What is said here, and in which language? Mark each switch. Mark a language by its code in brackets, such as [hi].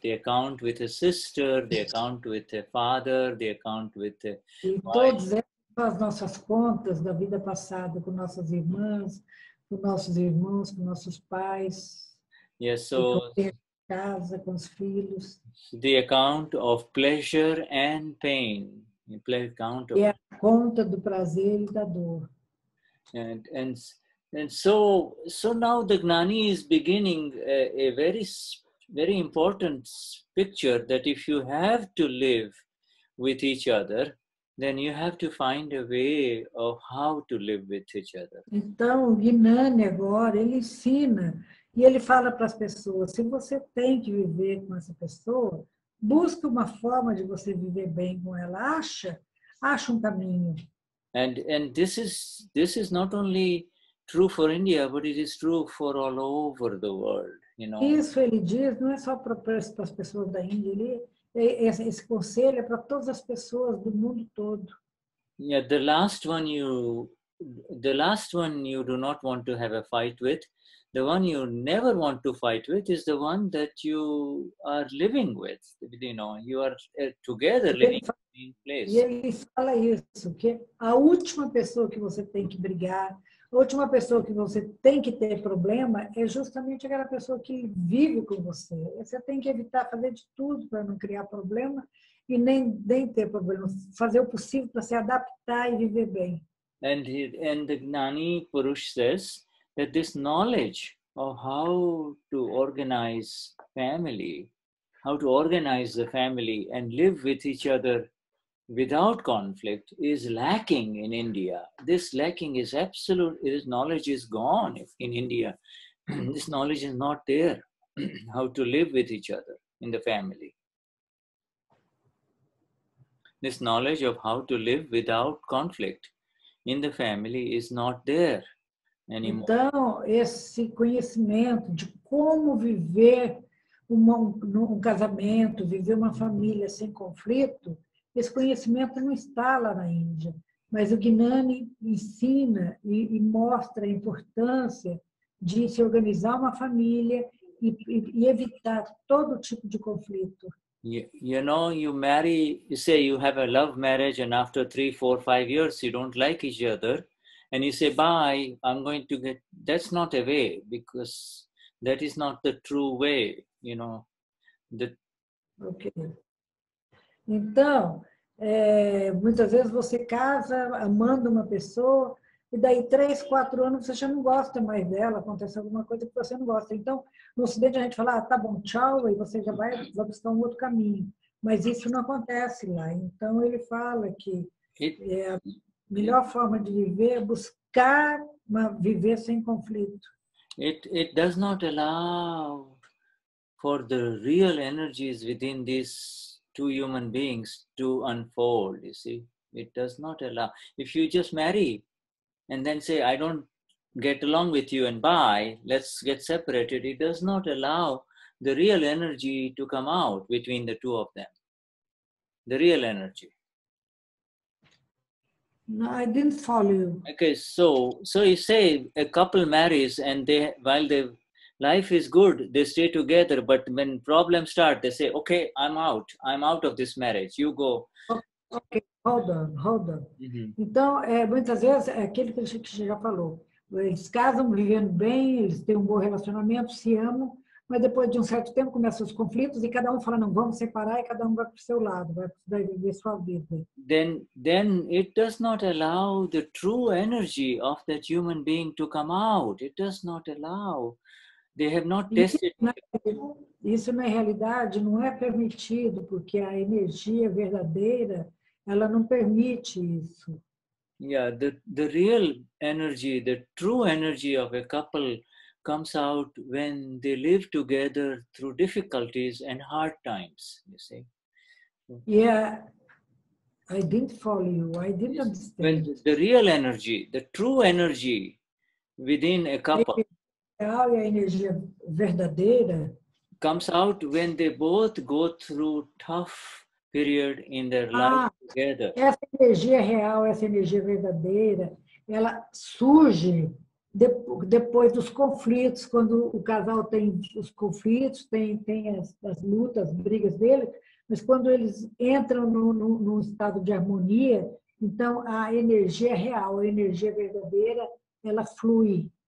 [en] The account with a sister, the account with a father, the account with a wife. [pt] Todas as nossas contas da vida passada com nossas irmãs, com nossos irmãos, com nossos pais. [en] Yes, so [pt] casa com os filhos. [en] The account of pleasure and pain. The account of [pt] a conta do prazer e da dor. [en] And so now the Gnani is beginning a very, very important picture that if you have to live with each other, then you have to find a way of how to live with each other. [pt] Então, o Gnani agora, ele ensina e ele fala para as pessoas, se você tem que viver com essa pessoa, busque uma forma de você viver bem com ela. Acha um caminho. [en] And this is not only true for India, but it is true for all over the world, you know. [pt] Isso ele diz, não é só para as pessoas da Índia, ele, esse conselho é para todas as pessoas do mundo todo. [en] Yeah, the last one you do not want to have a fight with, the one you never want to fight with is the one that you are living with, you know, you are together living in the same place. [pt] E ele fala isso, que a última pessoa que você tem que brigar, a última pessoa que você tem que ter problema é justamente aquela pessoa que vive com você. Você tem que evitar fazer de tudo para não criar problema e nem ter problema. Fazer o possível para se adaptar e viver bem. [en] And the Gnani Purush says that this knowledge of how to organize family, how to organize the family and live with each other without conflict is lacking in India. This lacking is absolute. This knowledge is gone in India. This knowledge is not there. How to live with each other in the family. This knowledge of how to live without conflict in the family is not there anymore. [pt] Então, esse conhecimento de como viver um casamento, viver uma família sem conflito, esse conhecimento não está lá na Índia, mas o Gnani ensina e mostra a importância de se organizar uma família e evitar todo tipo de conflito. [en] You know, you marry, you say you have a love marriage and after 3, 4, 5 years you don't like each other and you say, bye, I'm going to get, that's not a way because that is not the true way, you know. Okay. [pt] Então, muitas vezes você casa amando uma pessoa e daí 3, 4 anos você já não gosta mais dela, acontece alguma coisa que você não gosta. Então, no ocidente a gente fala, ah, tá bom, tchau, e você já vai buscar um outro caminho. Mas isso não acontece lá. Então, ele fala que a melhor forma de viver é buscar viver sem conflito. [en] It does not allow for the real energies within this two human beings to unfold, you see. It does not allow. If you just marry and then say, I don't get along with you and bye, let's get separated, it does not allow the real energy to come out between the two of them. The real energy. No, I didn't follow you. Okay, so you say a couple marries and while their life is good, they stay together, but when problems start, they say, okay, I'm out of this marriage, you go. Okay, hold on. Mm-hmm. [pt] Então, muitas vezes, é aquele que você já falou, eles casam vivendo bem, eles têm um bom relacionamento, se amam, mas depois de um certo tempo começam os conflitos e cada um fala, não, vamos separar e cada um vai para o seu lado, vai viver sua vida. [en] Then it does not allow the true energy of that human being to come out. It does not allow. They have not tested. [pt] Isso na realidade não é permitido, porque a energia verdadeira, ela não permite isso. [en] Yeah, the real energy, the true energy of a couple comes out when they live together through difficulties and hard times, you see. Yeah, I didn't follow you. I didn't understand. When the real energy, the true energy within a couple, [pt] a energia verdadeira [en] comes out when they both go through tough period in their life together. [pt] Essa energia real, essa energia verdadeira, ela surge depois dos conflitos, quando o casal tem os conflitos, tem as lutas, brigas dele, mas quando eles entram num estado de harmonia, então a energia real, a energia verdadeira, ela flui.